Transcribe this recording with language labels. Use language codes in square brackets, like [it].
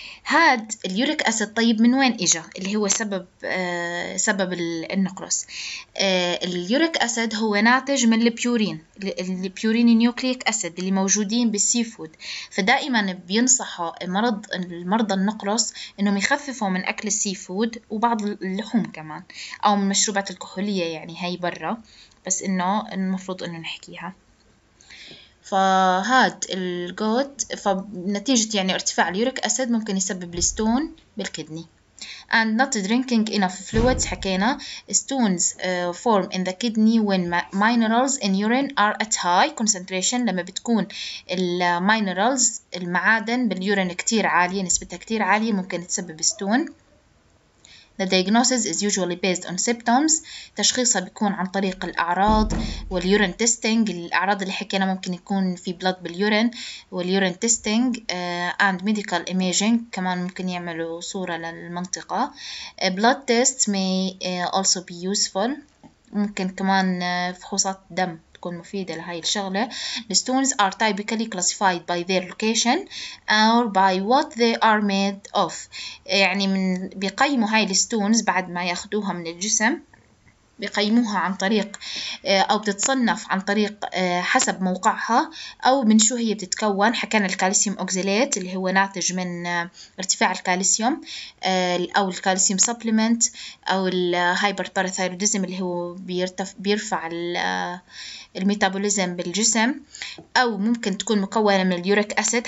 [ar] هاد اليوريك أسد طيب من وين إجا اللي هو سبب النقرس؟ اليوريك أسد هو ناتج من البيورين نيوكليك أسد اللي موجودين بالسيفود، فدائما بينصحوا المرضى النقرس إنهم يخففوا من أكل السيفود وبعض اللحوم كمان أو من مشروبات الكحولية، يعني هاي برا بس إنه المفروض إنه نحكيها. فهاد الجوت فنتيجة يعني ارتفاع اليوريك أسد ممكن يسبب الستون بالكدني. [en] And not drinking enough fluids، حكينا stones form in the kidney when minerals in urine are at high concentration، [ar] لما بتكون المينرالز المعادن باليورين كتير عالية، نسبتها كتير عالية، ممكن تسبب ستون. [en] The diagnosis is usually based on symptoms، [ar] تشخيصها بيكون عن طريق الأعراض واليورين تيستينج، الأعراض اللي حكينا ممكن يكون في بلاد باليورين واليورين تيستينج، [en] and medical imaging [ar] كمان ممكن يعملوا صورة للمنطقة. [en] Blood test may also be useful، [ar] ممكن كمان فحوصات دم تكون مفيدة لهاي الشغلة. [en] The stones are typically classified by their location or by what they are made of، [ar] يعني بيقيموا هاي الستونز بعد ما ياخدوها من الجسم بيقيموها عن طريق أو بتتصنف عن طريق حسب موقعها أو من شو هي بتتكون. حكينا الكالسيوم أوكزيليت اللي هو ناتج من ارتفاع الكالسيوم، أو الكالسيوم سبليمنت، أو الهايبر باراثايروديزم اللي هو بيرفع الميتابوليزم بالجسم، أو ممكن تكون مكونة من اليوريك أسيد.